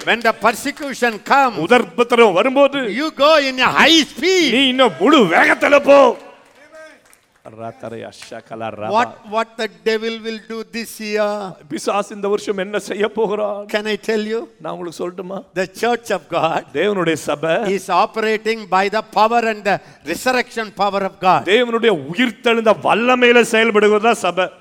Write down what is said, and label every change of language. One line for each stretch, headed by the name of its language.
English: When the persecution comes,
Tamil: உதர்பத்திரம் வரும்போது,
English: you go in a high speed,
Tamil: நீ இன்னும் முழு வேகத்துல போ.
English: What the devil will do this year?
Tamil: பிசாஸ் இந்த வருஷம் என்ன செய்ய போகிறார்?
English: Can I tell you?
Tamil: நான் உங்களுக்கு சொல்லட்டுமா?
English: The church of God,
Tamil: தேவனுடைய சபை,
English: is operating by the power and the resurrection power of God.
Tamil: தேவனுடைய உயிர்த்தெழுந்த வல்லமையில செயல்படுகிறது சபை.